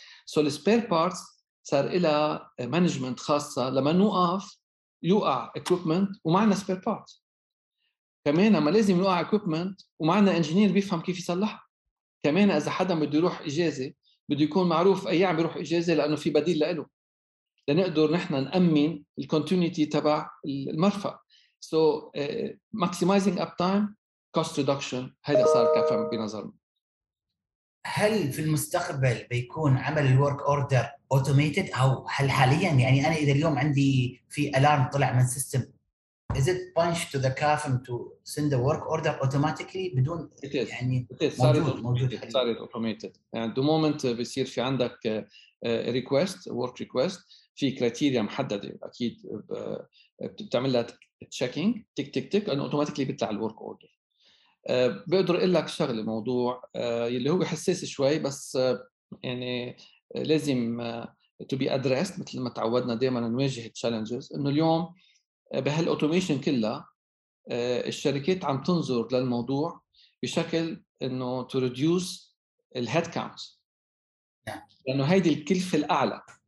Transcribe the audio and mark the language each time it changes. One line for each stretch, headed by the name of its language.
English: so السبير parts
Arabic: صار الى مانجمنت خاصه لما نوقف يوقع
English: equipment
Arabic: ومعنا
English: spare parts.
Arabic: كمان ما لازم يوقع
English: equipment
Arabic: ومعنا engineer بيفهم كيف يصلح. كمان إذا حدا بده يروح إجازة بده يكون معروف أي عم يروح إجازة لأنه في بديل لإله، لنقدر نحن نأمن ال
English: continuity
Arabic: تبع المرفق.
English: So maximizing uptime, cost reduction،
Arabic: هذا صار كافي بنظرنا. هل في المستقبل بيكون عمل
English: الورك order automated
Arabic: او هل حاليا يعني انا اذا اليوم عندي في الارم طلع من سيستم
English: is it punched to the CAFM to send a work order automatically
Arabic: بدون
English: it is.
Arabic: يعني
English: it is.
Arabic: موجود
English: it automated and the moment
Arabic: بيصير في عندك
English: request work request
Arabic: في كريتيريا محددة أكيد بتعمل لها
English: checking tick tick tick and automatically
Arabic: بيطلع ال
English: work order.
Arabic: بقدر أقول لك شغلة موضوع اللي هو حساس شوي بس يعني لازم
English: to be addressed
Arabic: مثل ما تعودنا دائما نواجه
English: challenges
Arabic: إنه اليوم بهالاوتوميشن كلها الشركات عم تنظر للموضوع بشكل انه
English: to reduce الهيد count
Arabic: لانه هيدي الكلفه الاعلى